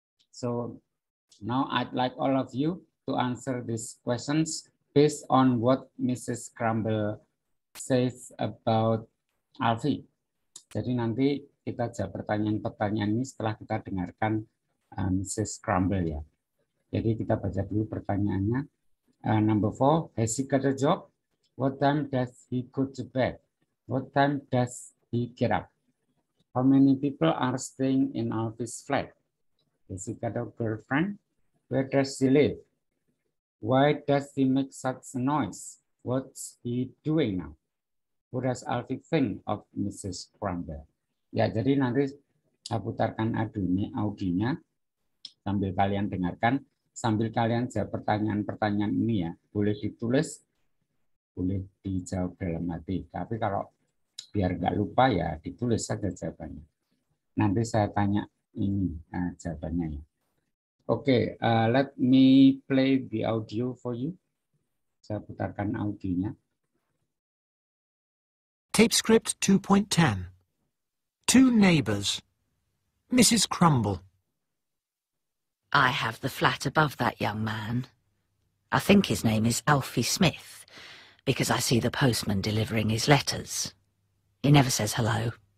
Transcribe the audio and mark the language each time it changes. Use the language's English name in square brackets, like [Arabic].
[English] So now I'd like all of you to answer these questions based on what Mrs. Crumble says about Alfie. [Indonesian] Jadi nanti kita jawab pertanyaan-pertanyaan ini setelah kita dengarkan Mrs. Crumble ya. Jadi kita baca dulu pertanyaannya. [English] Number 4, has he got a job? What time does he go to bed? What time does he get up? How many people are staying in Alfie's flat? Has he got a girlfriend? Where does she live? Why does he make such a noise? What's he doing now? What does Alfie think of Mrs. Crumble? [Indonesian] Ya, jadi nanti saya putarkan audionya sambil kalian dengarkan, sambil kalian jawab pertanyaan-pertanyaan ini ya. Boleh ditulis, boleh dijawab dalam hati. Tapi kalau biar nggak lupa ya ditulis saja jawabannya. Nanti saya tanya ini jawabannya ya. [English] Oke, let me play the audio for you. [Indonesian] Saya putarkan audionya. [English] Tape script 2.10. Two neighbors. Mrs. Crumble. I have the flat above that young man. I think his name is Alfie Smith, because I see the postman delivering his letters. He never says hello.